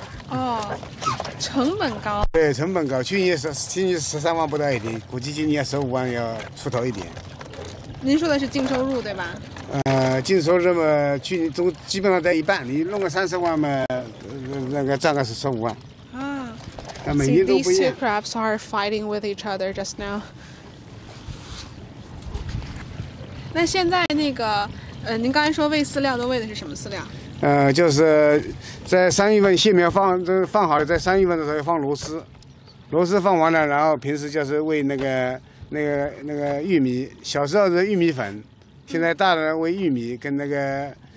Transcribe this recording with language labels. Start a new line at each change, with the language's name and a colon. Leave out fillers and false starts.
Chinese: 哦，成本高。对，成本高，去年13万不到一点，估计今年15万要出头一点。您说的是净收入对吧？净收入嘛，去年都基本上在一半，你弄个30万嘛，那个赚个15万。啊。那每年都不一样。
English: These two crabs are fighting with each other just now.
Chinese: 那现在那个，您刚才说喂饲料都喂的是什么饲料？就是在3月份蟹苗放这放好了，在3月份的时候放螺丝，螺丝放完了，然后平时就是喂那个玉米，小时候是玉米粉，现在大人喂玉米跟那个